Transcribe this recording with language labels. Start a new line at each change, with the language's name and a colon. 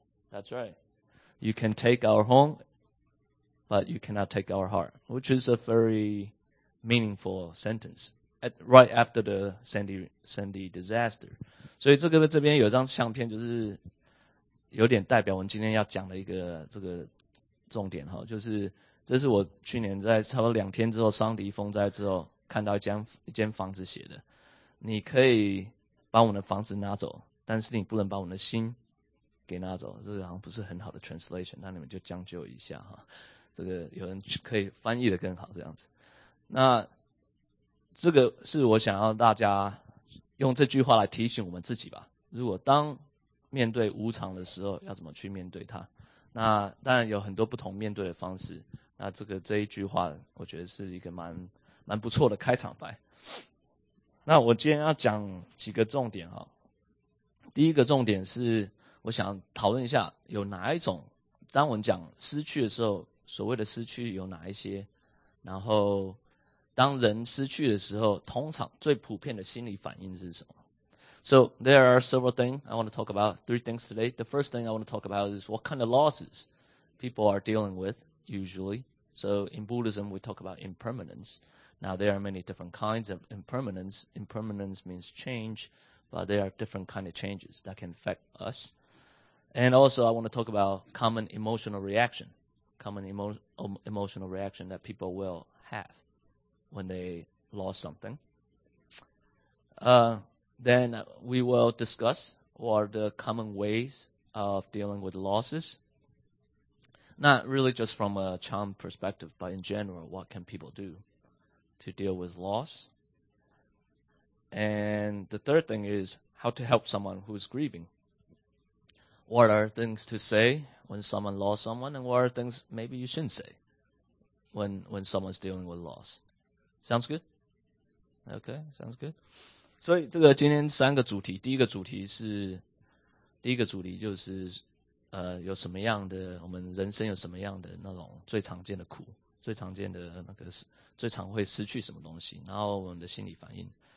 English: That's right. You can take our home, but you cannot take our heart, which is a very meaningful sentence, right after the Sandy disaster.
Chinese: 所以这边有张相片，就是有点代表我们今天要讲的一个这个重点哈，就是这是我去年在差不多两天之后桑迪风灾之后看到一间房子写的。你可以把我的房子拿走，但是你不能把我的心给拿走。这个好像不是很好的 translation， 那你们就将就一下哈。这个有人可以翻译的更好这样子。那这个是我想要大家用这句话来提醒我们自己吧，如果当面对无常的时候要怎么去面对它。那当然有很多不同面对的方式，那这一句话我觉得是一个蛮不错的开场白。那我今天要讲几个重点哈。第一个重点是我想讨论一下，有哪一种当我们讲失去的时候，所谓的失去有哪一些，然后当人失去的时候通常最普遍的心理反应是什么。
English: So there are several things I want to talk about, three things today. The first thing I want to talk about is what kind of losses people are dealing with usually. So in Buddhism we talk about impermanence. Now there are many different kinds of impermanence. Impermanence means change, but there are different kind of changes that can affect us. And also I want to talk about common emotional reaction that people will have when they lost something. Then we will discuss what are the common ways of dealing with losses. Not really just from a Chan perspective, but in general, what can people do to deal with loss? And the third thing is how to help someone who's grieving. What are things to say when someone lost someone, and what are things maybe you shouldn't say when someone's dealing with loss? Sounds good? Okay, sounds good.
Chinese: 所以这个今天三个主题，第一个主题就是有什么样的，我们人生有什么样的那种最常见的苦，最常见的那个最常会失去什么东西，然后我们的心理反应。